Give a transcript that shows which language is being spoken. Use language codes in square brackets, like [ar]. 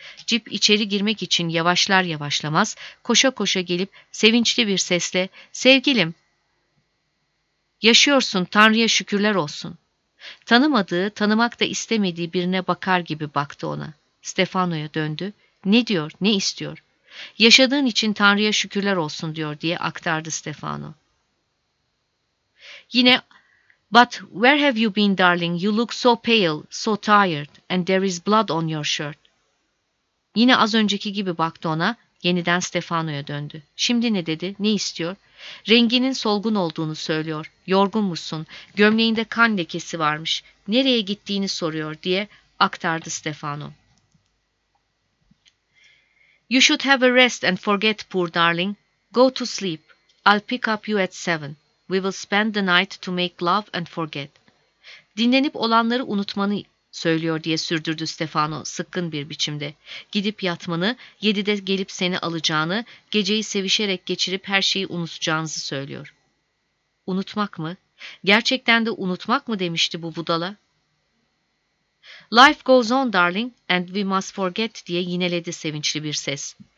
[tr] Cip içeri girmek için yavaşlar yavaşlamaz, koşa koşa gelip sevinçli bir sesle ''Sevgilim, yaşıyorsun, Tanrı'ya şükürler olsun.'' Tanımadığı, tanımak da istemediği birine bakar gibi baktı ona. Stefano'ya döndü. ''Ne diyor, ne istiyor?'' ''Yaşadığın için Tanrı'ya şükürler olsun.'' diyor diye aktardı Stefano. [en] Yine ''But where have you been, darling? You look so pale, so tired, and there is blood on your shirt.'' [tr] Yine az önceki gibi baktı ona, yeniden Stefano'ya döndü. Şimdi ne dedi, ne istiyor? Renginin solgun olduğunu söylüyor. Yorgun musun? Gömleğinde kan lekesi varmış. Nereye gittiğini soruyor diye aktardı Stefano. [en] You should have a rest and forget, poor darling. Go to sleep. I'll pick up you at 7. We will spend the night to make love and forget. [tr] Dinlenip olanları unutmanı söylüyor diye sürdürdü Stefano sıkkın bir biçimde. Gidip yatmanı, 7'de gelip seni alacağını, geceyi sevişerek geçirip her şeyi unutacağınızı söylüyor. Unutmak mı? Gerçekten de unutmak mı demişti bu budala? [en] Life goes on, darling, and we must forget [tr] diye yineledi sevinçli bir ses.